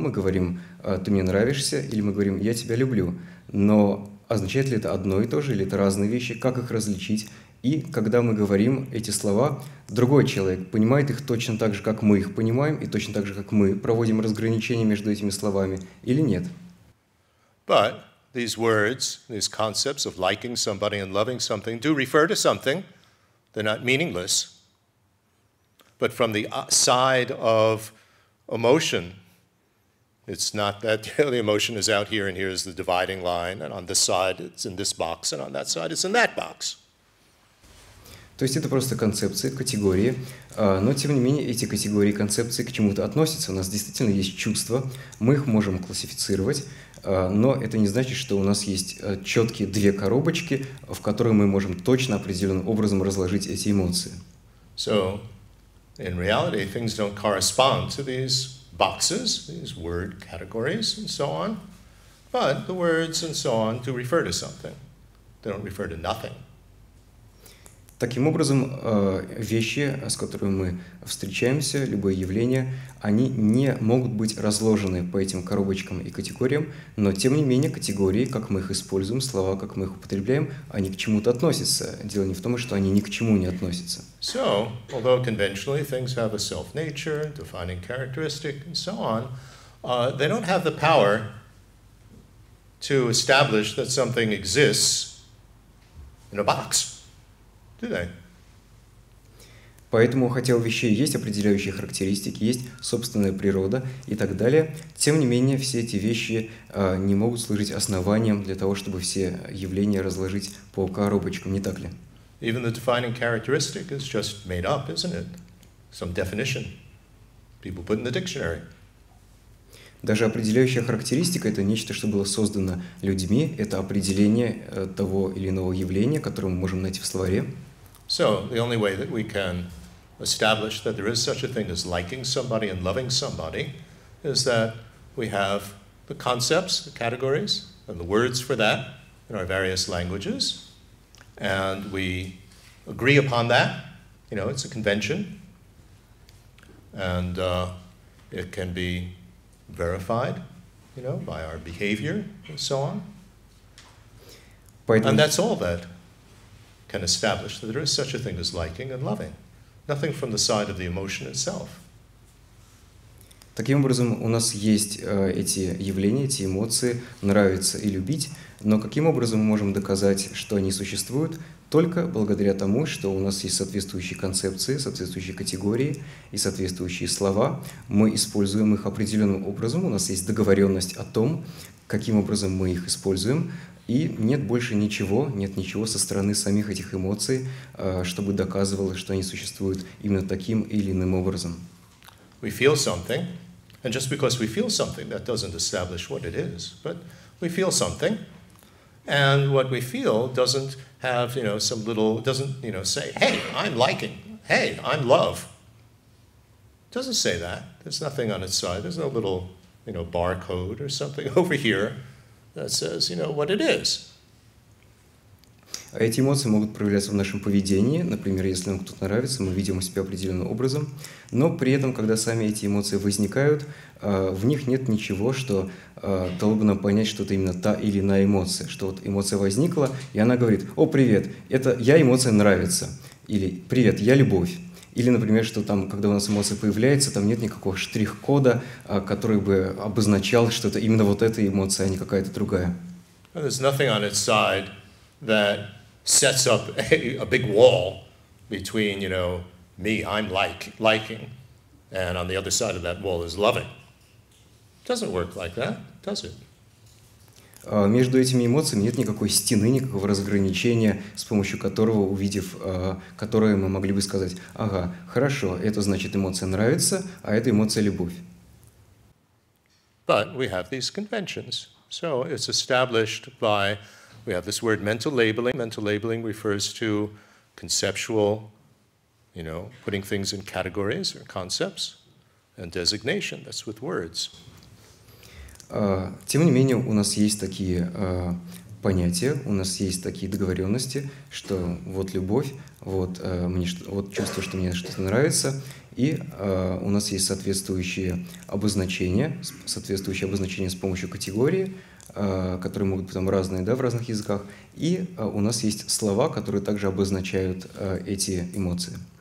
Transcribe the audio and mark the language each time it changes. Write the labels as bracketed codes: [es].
[ru] Мы говорим «ты мне нравишься» или мы говорим «я тебя люблю». Но означает ли это одно и то же или это разные вещи? Как их различить? И когда мы говорим эти слова, другой человек понимает их точно так же, как мы их понимаем, и точно так же, как мы проводим разграничение между этими словами, или нет? [en] But these words, these concepts of liking somebody and loving something do refer to something. They're not meaningless. But from the side of emotion, it's not that the emotion is out here and here is the dividing line, and on this side it's in this box, and on that side it's in that box. [ru] То есть это просто концепции, категории, но тем не менее эти категории, концепции к чему-то относятся. У нас действительно есть чувства, мы их можем классифицировать, но это не значит, что у нас есть четкие две коробочки, в которые мы можем точно определенным образом разложить эти эмоции. [en] So, in reality, things don't correspond to these boxes, these word categories and so on, but the words and so on do refer to something. They don't refer to nothing. [ru] Таким образом, вещи, с которыми мы встречаемся, любое явление, они не могут быть разложены по этим коробочкам и категориям, но тем не менее категории, как мы их используем, слова, как мы их употребляем, они к чему-то относятся. Дело не в том, что они ни к чему не относятся. [en] So, although conventionally things have a self-nature, defining characteristic, and so on, they don't have the power to establish that something exists in a box. [ru] Поэтому, хотя у вещей есть определяющие характеристики, есть собственная природа и так далее, тем не менее, все эти вещи не могут служить основанием для того, чтобы все явления разложить по коробочкам, не так ли? [en] Even the defining characteristic is just made up, isn't it? Some definition people put in the dictionary. [ru] Даже определяющая характеристика – это нечто, что было создано людьми, это определение того или иного явления, которое мы можем найти в словаре. [en] So, the only way that we can establish that there is such a thing as liking somebody and loving somebody is that we have the concepts, the categories, and the words for that in our various languages, and we agree upon that, you know, it's a convention, and it can be verified, you know, by our behavior and so on. And that's all that can establish that there is such a thing as liking and loving. Nothing from the side of the emotion itself. [ru] Таким образом, у нас есть эти явления, эти эмоции, нравится и любить, но каким образом мы можем доказать, что они существуют? Только благодаря тому, что у нас есть соответствующие концепции, соответствующие категории и соответствующие слова. Мы используем их определенным образом, у нас есть договоренность о том, каким образом мы их используем, и нет больше ничего, нет ничего со стороны самих этих эмоций, чтобы доказывало, что они существуют именно таким или иным образом. [en] We feel something, and just because we feel something, that doesn't establish what it is. But we feel something, and what we feel doesn't have, you know, some little, doesn't, you know, say, hey, I'm liking, hey, I'm love. It doesn't say that. There's nothing on its side. There's no little, you know, barcode or something over here that says, you know, what it is. [ru] Эти эмоции могут проявляться в нашем поведении, например, если нам кто-то нравится, мы видим себя определенным образом, но при этом, когда сами эти эмоции возникают, в них нет ничего, что дало бы нам понять, что это именно та или иная эмоция, что вот эмоция возникла, и она говорит: «О, привет, это я, эмоция нравится», или «Привет, я любовь». Или, например, что там, когда у нас эмоция появляется, там нет никакого штрих-кода, который бы обозначал, что это именно вот эта эмоция, а не какая-то другая. [en] There's nothing on its side that sets up a big wall between, you know, me, I'm liking, and on the other side of that wall is loving. It doesn't work like that, does it? [ru] Между этими эмоциями нет никакой стены, никакого разграничения, с помощью которого, увидев, которое мы могли бы сказать, ага, хорошо, это значит эмоция нравится, а это эмоция любовь. [en] But we have these conventions, so it's established by... We have this word mental labeling. Mental labeling refers to conceptual, you know, putting things in categories or concepts and designation. That's with words. [ru] Тем не менее, у нас есть такие понятия, у нас есть такие договоренности, что вот любовь, вот, вот чувство, что мне что-то нравится, и у нас есть соответствующие обозначения с помощью категории, которые могут быть там разные, да, в разных языках, и у нас есть слова, которые также обозначают эти эмоции.